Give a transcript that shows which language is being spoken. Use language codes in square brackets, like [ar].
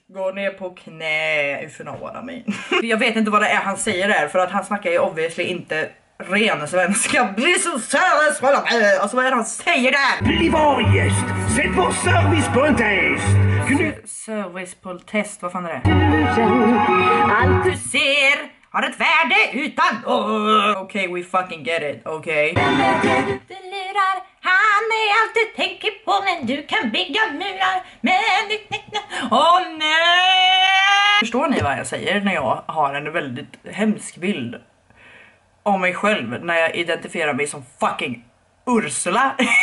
[sv] Går ner på knä, [en] if you know what I mean. [sv] Jag vet inte vad det är han säger där, för att han snackar ju obviously inte ren svenska. Bli så service! Alltså vad är det han säger där? Bli vår gäst! Sätt på service på en test! Service på en test, vad fan är det? Allt du ser har ett värde utan... [en] Okay, we fucking get it, okay? [sv] Du lurar, han är allt du tänker på. Men du kan bygga murar, men du tänker... Åh nej! Förstår ni vad jag säger när jag har en väldigt hemsk bild av mig själv när jag identifierar mig som fucking Ursula?